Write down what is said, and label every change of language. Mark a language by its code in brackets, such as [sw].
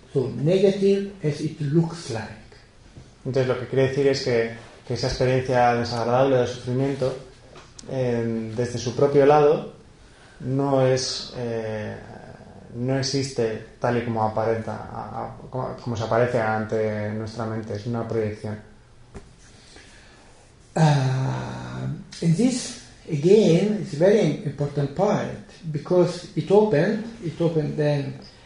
[en] So negative as it looks like. [es] Entonces lo que quiere decir es que esa experiencia desagradable de sufrimiento desde su propio lado no existe tal y como aparenta como se aparece ante nuestra mente, es una proyección. [en] And this again is a very important point because it opened then